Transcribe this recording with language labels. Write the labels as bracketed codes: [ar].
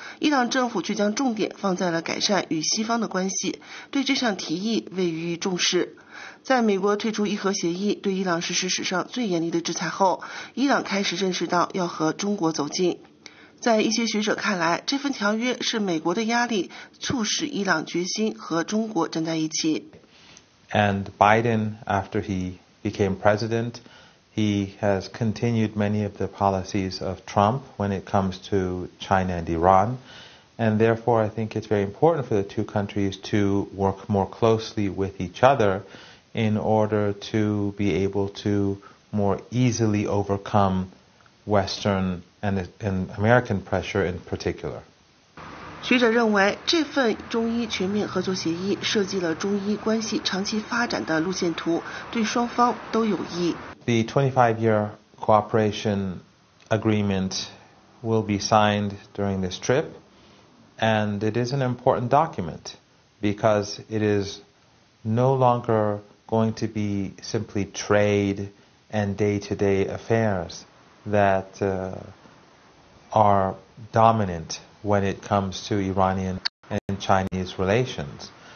[zh] 伊朗政府却将重点放在了改善与西方的关系，对这项提议未予以重视。在美国退出伊核协议，对伊朗实施史上最严厉的制裁后，伊朗开始认识到要和中国走近。在一些学者看来，这份条约是美国的压力促使伊朗决心和中国站在一起。 [en] And Biden, after he became president, he has continued many of the policies of Trump when it comes to China and Iran. And therefore, I think it's very important for the two countries to work more closely with each other in order to be able to more easily overcome Western and American pressure in particular. [zh] 学者认为，这份中伊全面合作协议设计了中伊关系长期发展的路线图，对双方都有益。 [en] The 25-year cooperation agreement will be signed during this trip. And it is an important document because it is no longer going to be simply trade and day-to-day affairs that are dominant when it comes to Iranian and Chinese relations.